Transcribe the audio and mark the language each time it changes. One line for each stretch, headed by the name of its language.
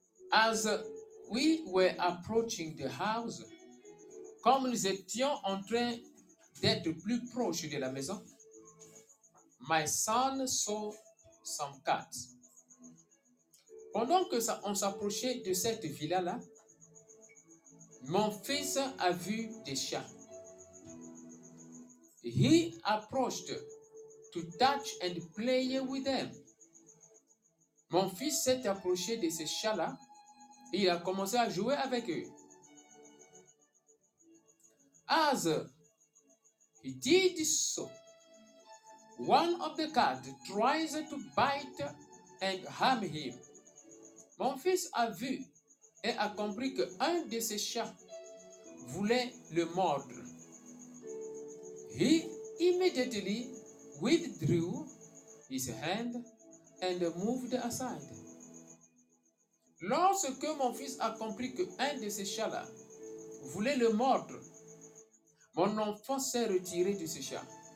English: As we were approaching the house,
French: comme nous étions en train d'être plus proches de la maison,
English: my son saw some cats.
French: Pendant que on s'approchait de cette villa-là, mon fils a vu des chats.
English: He approached to touch and play with them.
French: Mon fils s'est approché de ces chats-là et il a commencé à jouer avec eux.
English: As he did so, one of the cats tries to bite and harm him.
French: Mon fils a vu et a compris que un de ces chats voulait le mordre.
English: He immediately withdrew his hand and moved aside.
French: Lorsque mon fils a compris que un de ces chats-là voulait le mordre, mon enfant s'est retiré de ce chat.